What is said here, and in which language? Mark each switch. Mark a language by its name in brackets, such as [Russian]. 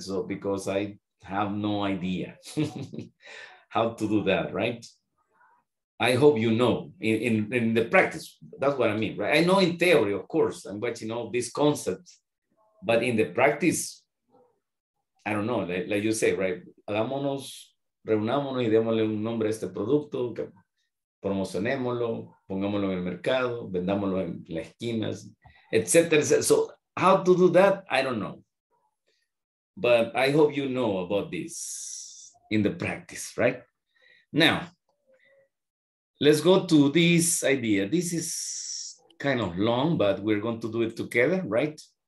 [English] So because I have no idea how to do that, right? I hope you know in the practice. That's what I mean, right? I know in theory, of course, I'm watching all these concepts, but in the practice, I don't know, like you say, right? [Spanish] Hagámonos, reunámonos y démosle un nombre a este producto, promocionémoslo, pongámoslo en el mercado, vendámoslo en las esquinas, etc., etc. [English] So how to do that, I don't know. But I hope you know about this in the practice, right? Now, let's go to this idea. This is kind of long, but we're going to do it together, right?